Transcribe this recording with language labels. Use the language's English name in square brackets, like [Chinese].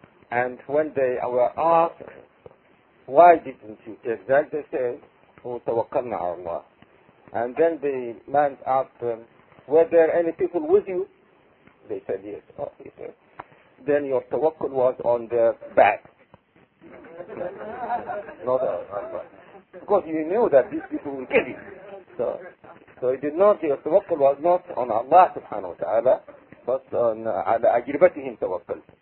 [English] And when they were asked, why didn't you take that? They said, [Arabic] وَتَوَكَّلْنَا عَلَى اللَّهِ. [English] And then the man asked them, were there any people with you? They said yes. Oh, he said, then your tawakkul was on the back. Not because you knew that these people will kill you. So it did not, your tawakkul was not on Allah subhanahu wa ta'ala, but on ajribatihim tawakkul.